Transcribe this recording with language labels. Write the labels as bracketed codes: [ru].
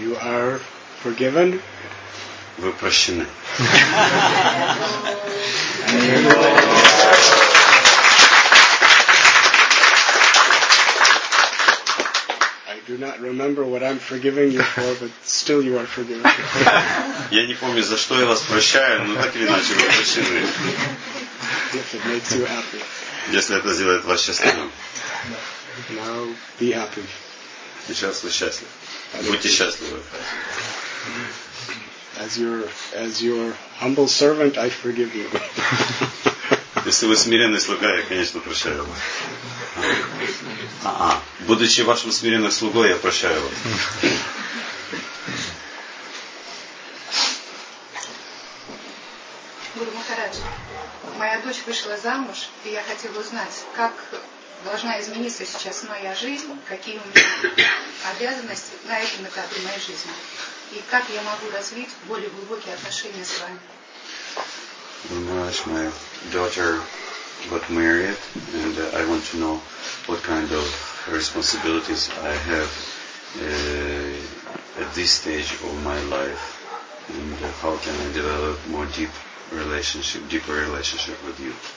[en] You are forgiven? [ru] Вы прощены. [en] I do not remember what I'm forgiving you for, but still you are forgiven. [ru] Я не помню, за что я вас прощаю, но так или иначе вы прощены. [en] If it makes you happy. [ru] Если это сделает вас счастливым. [en] Now be happy. [ru] Сейчас вы счастливы. Будьте счастливы. [en] As your humble servant, I forgive you. [ru] Если вы смиренный слуга, я, конечно, прощаю вас. Будучи вашим смиренным слугой, я прощаю вас. Гуру Махарадж, моя дочь вышла замуж, и я хотела узнать, как должна измениться сейчас моя жизнь, какие у меня обязанности на этом этапе моей жизни. И как я могу развить более глубокие отношения с вами? [en] My daughter got married, and I want to know what kind of responsibilities I have at this stage of my life, and how can I develop more deeper relationship with you?